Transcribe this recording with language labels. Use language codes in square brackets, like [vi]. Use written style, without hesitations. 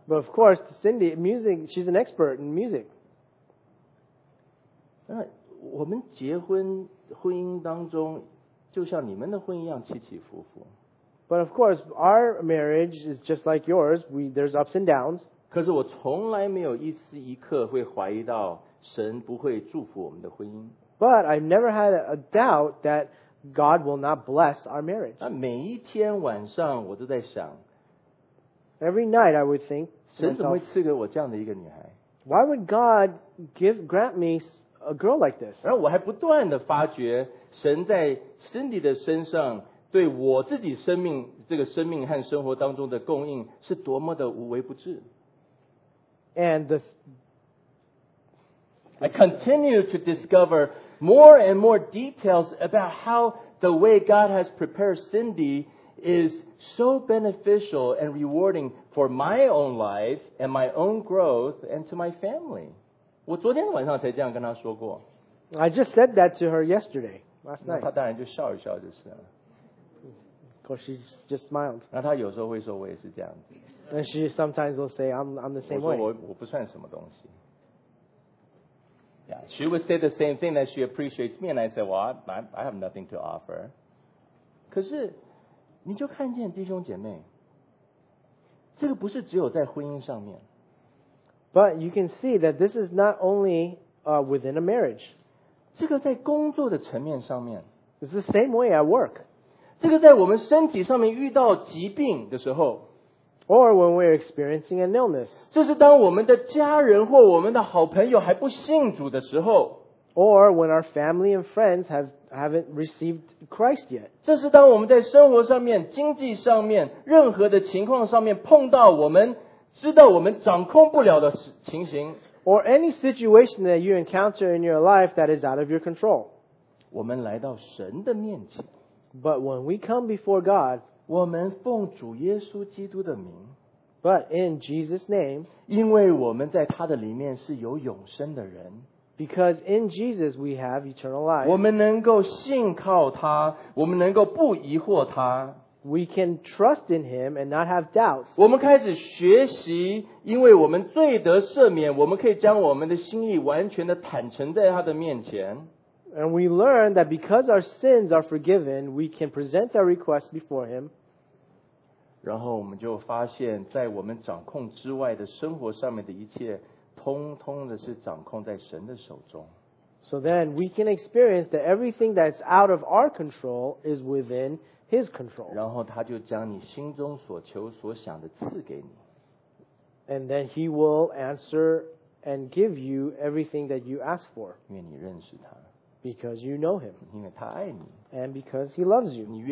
[en] But of course, Cindy, music, she's an expert in music. [zh] 我们结婚婚姻当中，就像你们的婚姻一样起起伏伏。 [en] But of course, our marriage is just like yours. There's ups and downs. [zh] 可是我从来没有一丝一刻会怀疑到神不会祝福我们的婚姻。 [en] But I never had a doubt that God will not bless our marriage. [zh] 每一天晚上我都在想。 [en] Every night I would think, [zh] 神怎么会赐给我这样的一个女孩？ [en] Why would God grant me a girl like this? [zh] 然后我还不断地发觉神在 Cindy 的身上对我自己生命这个生命和生活当中的供应是多么的无微不至。 [en] And I continue to discover more and more details about how the way God has prepared Cindy is so beneficial and rewarding for my own life and my own growth and to my family. [zh] 我昨天晚上才这样跟她说过。 [en] I just said that to her yesterday, last night. [zh] 她当然就笑一笑就是了。 [en] Well, she just smiled. [zh] 那她有时候会说我也是这样子。 [en] And she sometimes will say, I'm the same way. [zh] 我不算什么东西。 [en] Yeah, she would say the same thing that she appreciates me, and I said, well, I have nothing to offer. [zh] 可是你就看见弟兄姐妹，这个不是只有在婚姻上面。 [en] But you can see that this is not only within a marriage. [zh] 这个在工作的层面上面。 [en] It's the same way at work. [zh] 这个在我们身体上面遇到疾病的时候。 [en] Or when we're experiencing an illness. [zh] 这是当我们的家人或我们的好朋友还不信主的时候。 [en] Or when our family and friends haven't received Christ yet. [zh] 这是当我们在生活上面、经济上面、任何的情况上面碰到我们知道我们掌控不了的情形。 [en] Or any situation that you encounter in your life that is out of your control. [zh] 我们来到神的面前。 [en] But when we come before God, [zh] 我们奉主耶稣基督的名。 [en] But in Jesus' name, [zh] 因为我们在他的里面是有永生的人。 [en] Because in Jesus we have eternal life. [zh] 我们能够信靠他，我们能够不疑惑他。 [en] We can trust in him and not have doubts. [zh] 我们开始学习，因为我们罪得赦免，我们可以将我们的心意完全的坦诚在他的面前。 [en] And we learn that because our sins are forgiven, we can present our requests before him. [zh] 然后我们就发现，在我们掌控之外的生活上面的一切通通的是掌控在神的手中。 [en] So then we can experience that everything that's out of our control is within His control. [zh] 然后他就将你心中所求所想的赐给你。 [en] And then He will answer and give you everything that you ask for. Because you know him. And because he loves you.